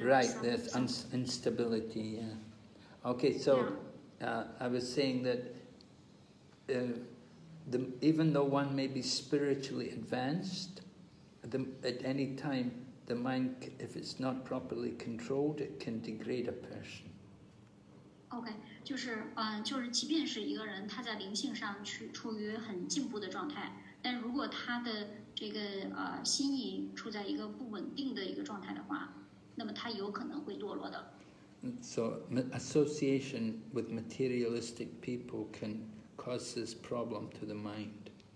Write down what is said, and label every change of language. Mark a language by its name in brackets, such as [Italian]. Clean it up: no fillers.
[English] Right, there's instability, yeah. Okay, so yeah. I was saying that even though one may be spiritually advanced, at any time, the mind, if it's not properly controlled, it can degrade a person. [Chinese] Okay, 就是即便是一个人他在灵性上处于很进步的状态, 但如果他的心意处在一个不稳定的一个状态的话，那么他有可能会堕落的。 [English] So association with materialistic people can cause this problem to the mind.